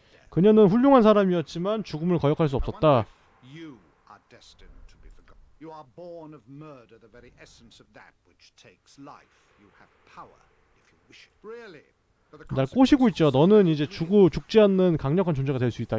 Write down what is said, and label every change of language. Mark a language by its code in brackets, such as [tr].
[ko] 그녀는 훌륭한 사람이었지만 죽음을 거역할 수 없었다. [en] Destined to be forgotten. You are born of murder, the very essence of that which takes life. You have power if you wish it. Really? [ko] 날 꼬시고 있죠. 너는 이제 죽고 죽지 않는 강력한 존재가 될 수 있다.